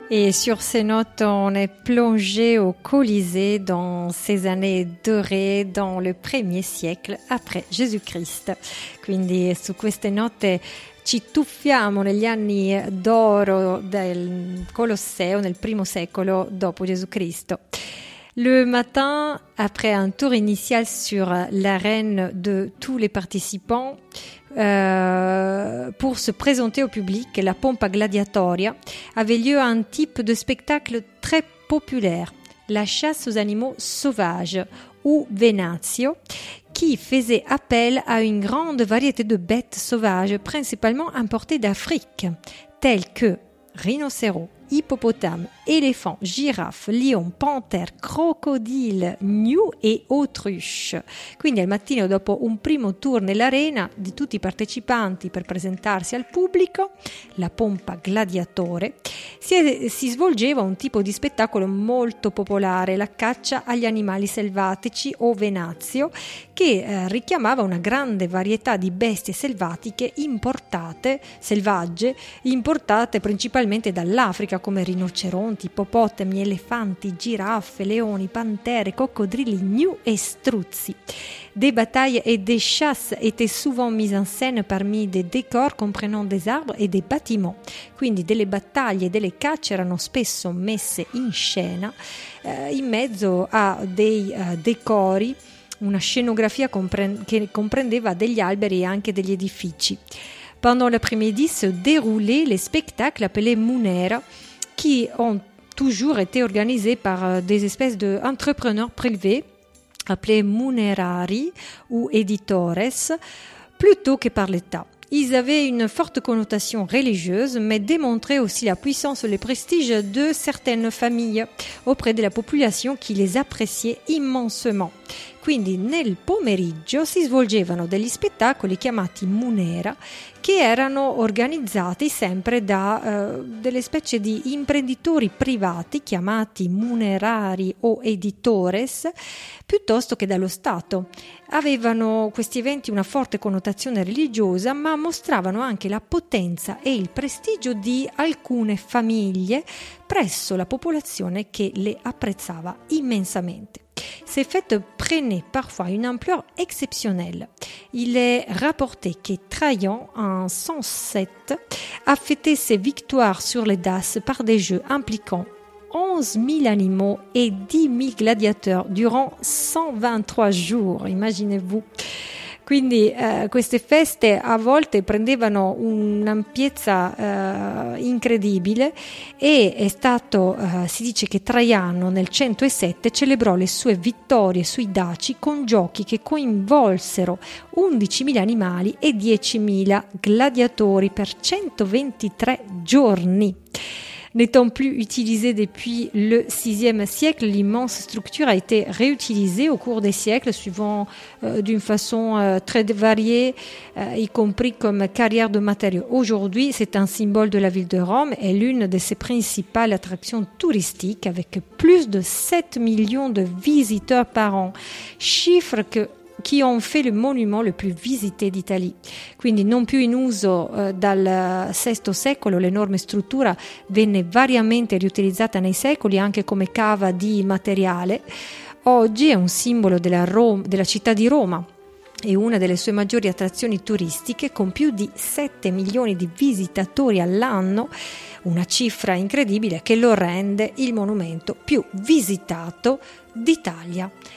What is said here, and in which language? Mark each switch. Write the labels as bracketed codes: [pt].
[fr] Sur ces notes, on est plongé au Colisée dans ces années dorées, dans le premier siècle après Jésus-Christ. [it] Quindi, su queste note, ci tuffiamo negli anni d'oro del Colosseo nel primo secolo dopo Gesù-Cristo. [fr] Le matin, après un tour initial sur l'arène de tous les participants, pour se présenter au public, la pompa gladiatoria avait lieu un type de spectacle très populaire, la chasse aux animaux sauvages ou venatio, qui faisait appel à une grande variété de bêtes sauvages, principalement importées d'Afrique, telles que rhinocéros, hippopotames, éléphants, girafes, lions, panthères, crocodiles, gnous et autruches. [it] Quindi al mattino, dopo un primo tour nell'arena di tutti i partecipanti per presentarsi al pubblico, la pompa gladiatore, si svolgeva un tipo di spettacolo molto popolare, la caccia agli animali selvatici o venatio, che richiamava una grande varietà di bestie selvatiche importate, selvagge, importate principalmente dall'Africa, come rinoceronti, ippopotami, elefanti, giraffe, leoni, pantere, coccodrilli, gnu e struzzi. [fr] Des batailles et des chasses étaient souvent mises en scène parmi des décors comprenant des arbres et des bâtiments. [it] Quindi delle battaglie e delle cacce erano spesso messe in scena in mezzo a dei decori, una scenografia che comprendeva degli alberi e anche degli edifici. [fr] Pendant l'après-midi se déroulaient les spectacles appelés munera, qui ont toujours été organisés par des espèces d'entrepreneurs privés appelés munerari ou editores, plutôt que par l'État. Ils avaient une forte connotation religieuse, mais démontraient aussi la puissance et le prestige de certaines familles auprès de la population qui les appréciait immensément. [it] Quindi nel pomeriggio si svolgevano degli spettacoli chiamati munera, che erano organizzati sempre da delle specie di imprenditori privati chiamati munerari o editores, piuttosto che dallo Stato. Avevano questi eventi una forte connotazione religiosa, ma mostravano anche la potenza e il prestigio di alcune famiglie presso la popolazione che le apprezzava immensamente. [fr] Ces fêtes prenaient parfois une ampleur exceptionnelle. Il est rapporté que Trajan, en 107, a fêté ses victoires sur les Daces par des jeux impliquant 11 000 animaux et 10 000 gladiateurs durant 123 jours, imaginez-vous. [it] Quindi queste feste a volte prendevano un'ampiezza incredibile e è stato, si dice che Traiano nel 107 celebrò le sue vittorie sui Daci con giochi che coinvolsero 11.000 animali e 10.000 gladiatori per 123 giorni. [fr] N'étant plus utilisée depuis le VIe siècle, l'immense structure a été réutilisée au cours des siècles, suivant d'une façon très variée, y compris comme carrière de matériaux. Aujourd'hui, c'est un symbole de la ville de Rome et l'une de ses principales attractions touristiques, avec plus de 7 millions de visiteurs par an, chiffre qui ont fait le monument le plus visité d'Italie. [it] Quindi non più in uso dal VI secolo, l'enorme struttura venne variamente riutilizzata nei secoli anche come cava di materiale. Oggi è un simbolo della città di Roma e una delle sue maggiori attrazioni turistiche, con più di 7 milioni di visitatori all'anno, una cifra incredibile che lo rende il monumento più visitato d'Italia.